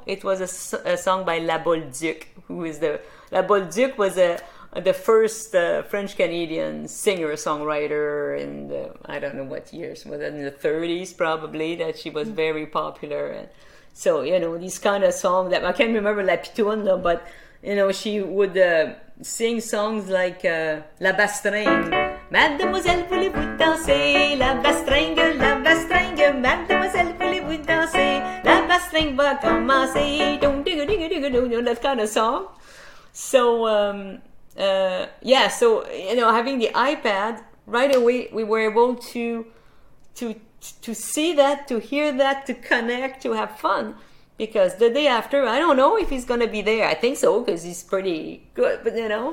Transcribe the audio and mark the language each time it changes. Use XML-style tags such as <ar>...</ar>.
<en>It was a song by La Bolduc, La Bolduc was the first French-Canadian singer-songwriter in the, I don't know what years, was it in the 30s probably, that she was very popular. And so, you know, these kind of songs that, I can't remember La Pitoune, though, but, you know, she would sing songs like La Bastringue.</en> <fr>Mademoiselle, voulez-vous danser? La Bastringue, mademoiselle, voulez-vous danser? La Bastringue va commencer.</fr> <en>Dun, dun, dun, dun, dun, dun, dun, dun, that kind of song. So, so, you know, having the iPad, right away we were able to see that, to hear that, to connect, to have fun. Because the day after, I don't know if he's going to be there. I think so, because he's pretty good, but, you know.</en>